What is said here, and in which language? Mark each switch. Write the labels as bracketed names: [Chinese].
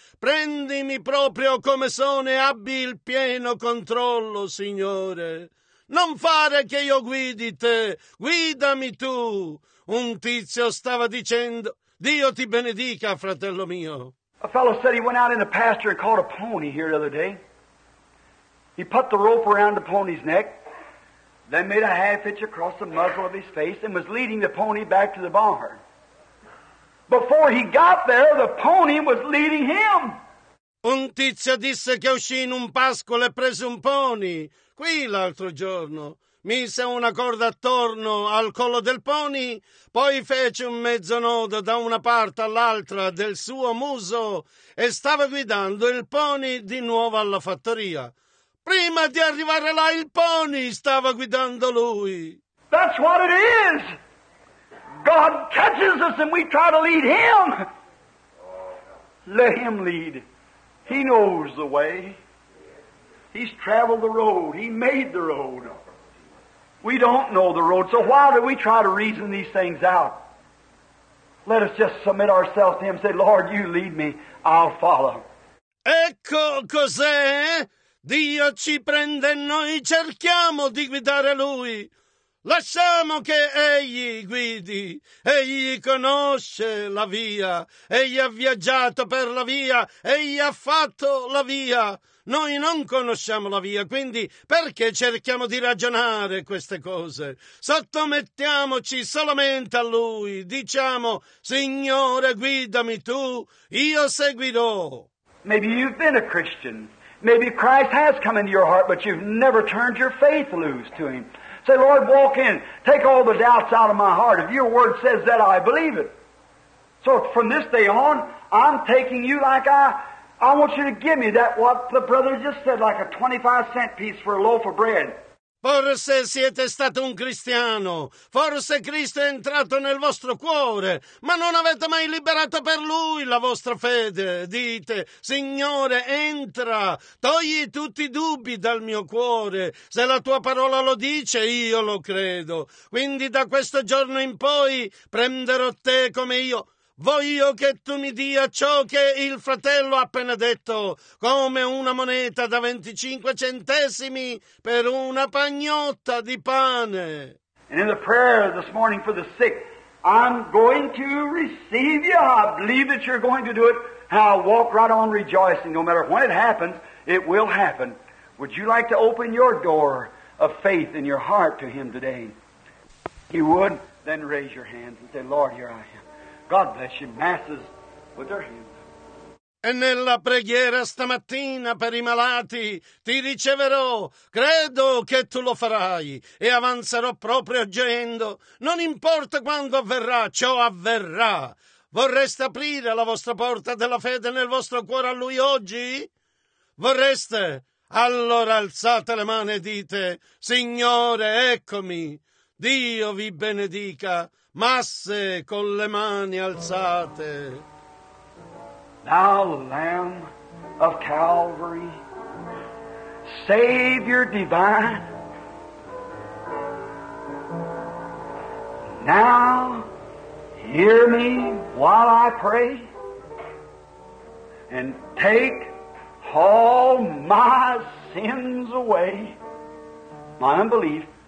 [Italian] Prendimi proprio come sono e abbi il pieno controllo, Signore. Non fare che io guidi te, guidami tu. Un tizio stava dicendo, Dio ti benedica, fratello mio. [English] A fellow said he went out in the pasture and caught a pony here the other day. He put the rope around the pony's neck, then made a half hitch across the muzzle of his face and was leading the pony back to the barn. Before he got there, the pony was leading him. [Italian] Un tizio disse che uscì in un pascolo e prese un pony. Qui l'altro giorno mise una corda attorno al collo del pony, poi fece un mezzo nodo da una parte all'altra del suo muso e stava guidando il pony di nuovo alla fattoria. Prima di arrivare là il pony stava guidando lui. [English] That's what it is. God catches us and we try to lead him. Let him lead. He knows the way. He's traveled the road. He made the road. We don't know the road, so why do we try to reason these things out? Let us just submit ourselves to him and say, Lord, you lead me. I'll follow. [Italian] Ecco cos'è. Dio ci prende e noi cerchiamo di guidare Lui. Lasciamo che Egli guidi. Egli conosce la via. Egli ha viaggiato per la via. Egli ha fatto la via. Noi non conosciamo la via, quindi perché cerchiamo di ragionare queste cose? Sottomettiamoci solamente a Lui. Diciamo, Signore, guidami Tu, io seguirò. [English] Maybe you've been a Christian. Maybe Christ has come into your heart, but you've never turned your faith loose to Him. Say, Lord, walk in. Take all the doubts out of my heart. If Your Word says that, I believe it. So from this day on, I'm taking You like I want You to give me that, what the brother just said, like a 25-cent piece for a loaf of bread. [Italian] Forse siete stato un cristiano, forse Cristo è entrato nel vostro cuore, ma non avete mai liberato per Lui la vostra fede. Dite, Signore, entra, togli tutti i dubbi dal mio cuore. Se la Tua parola lo dice, io lo credo. Quindi da questo giorno in poi prenderò Te come io. Voglio che Tu mi dia ciò che il fratello ha appena detto, come una moneta da 25 centesimi per una pagnotta di pane. [English] And in the prayer this morning for the sick, I'm going to receive You. I believe that You're going to do it. And I'll walk right on rejoicing. No matter when it happens, it will happen. Would you like to open your door of faith in your heart to Him today? You would? Then raise your hands and say, Lord, here I am. God bless you. Masses with their hands. [Italian] E nella preghiera stamattina per i malati ti riceverò. Credo che Tu lo farai e avanzerò proprio agendo. Non importa quando avverrà, ciò avverrà. Vorreste aprire la vostra porta della fede nel vostro cuore a Lui oggi? Vorreste? Allora alzate le mani e dite, Signore, eccomi. Dio vi benedica. Masse con le mani alzate. [English] Thou Lamb of Calvary, Savior divine, now hear me while I pray, and take all my sins away, my unbelief.